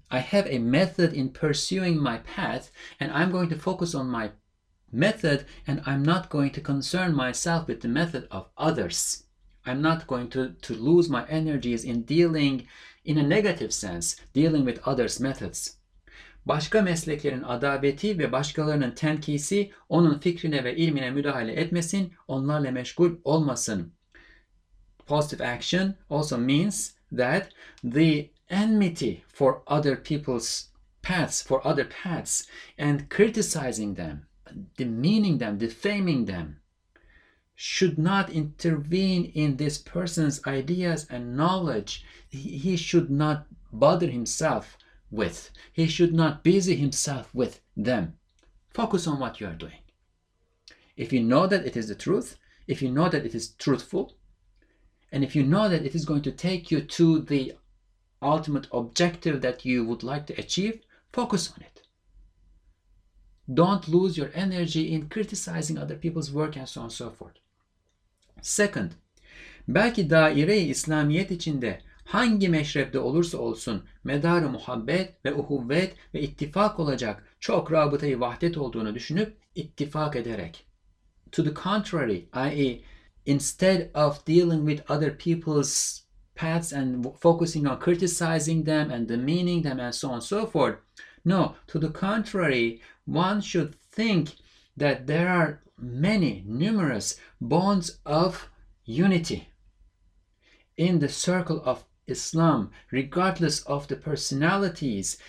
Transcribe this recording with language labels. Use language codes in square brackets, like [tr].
[en] I have a method in pursuing my path, and I'm going to focus on my method, and I'm not going to concern myself with the method of others. I'm not going to lose my energies in dealing, in a negative sense, dealing with others' methods. [tr] Başka mesleklerin adabeti ve başkalarının tenkisi onun fikrine ve ilmine müdahale etmesin, onlarla meşgul olmasın. [en] Positive action also means that the enmity for other people's paths, for other paths, and criticizing them, demeaning them, defaming them, should not intervene in this person's ideas and knowledge. He should not bother himself with. He should not busy himself with them. Focus on what you are doing. If you know that it is the truth, if you know that it is truthful, and if you know that it is going to take you to the ultimate objective that you would like to achieve, focus on it. Don't lose your energy in criticizing other people's work and so on and so forth. Second, [tr] belki daire-i İslamiyet içinde hangi meşrepte olursa olsun medar-ı muhabbet ve uhuvvet ve ittifak olacak çok rabıtayı vahdet olduğunu düşünüp ittifak ederek. [en] To the contrary, i.e. instead of dealing with other people's paths and focusing on criticizing them and demeaning them and so on and so forth. No, to the contrary, one should think that there are many, numerous bonds of unity in the circle of Islam, regardless of the personalities.